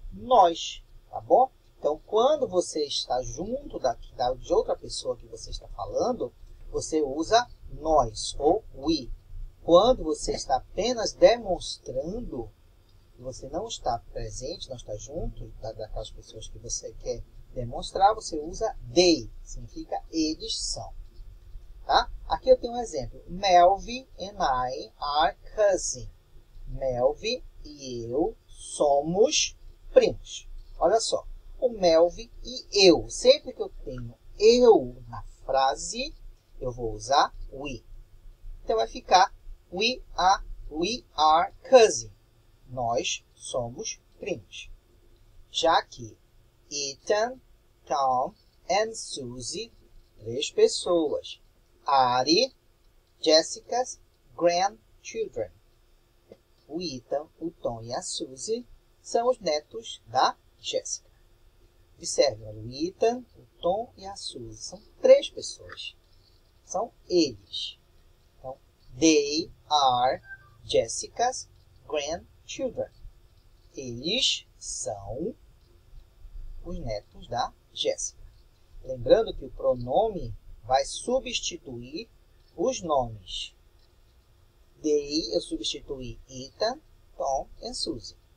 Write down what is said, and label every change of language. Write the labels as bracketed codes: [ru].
[pt] Nós, tá bom? Então, quando você está junto de outra pessoa que você está falando, você usa nós ou we. Quando você está apenas demonstrando que você não está presente, não está junto daquelas pessoas que você quer demonstrar, você usa they, significa eles são. Tá? Aqui eu tenho um exemplo. [en] Melvin and I are cousins. [pt] Melvin e eu somos primos. Olha só, o Melvin e eu. Sempre que eu tenho eu na frase, eu vou usar we. Então, vai ficar we are cousins. Nós somos primos. Já que Ethan, Tom and Suzy, três pessoas. [en] Ari, Jessica's grandchildren. [pt] O Ethan, o Tom e a Suzy são os netos da Jessica. Observe, o Ethan, o Tom e a Suzy são três pessoas. São eles. [en] Então, they are Jessica's grandchildren. [pt] Eles são os netos da Jessica. Lembrando que o pronome vai substituir os nomes. They, eu substituí Ethan, Tom e Suzy.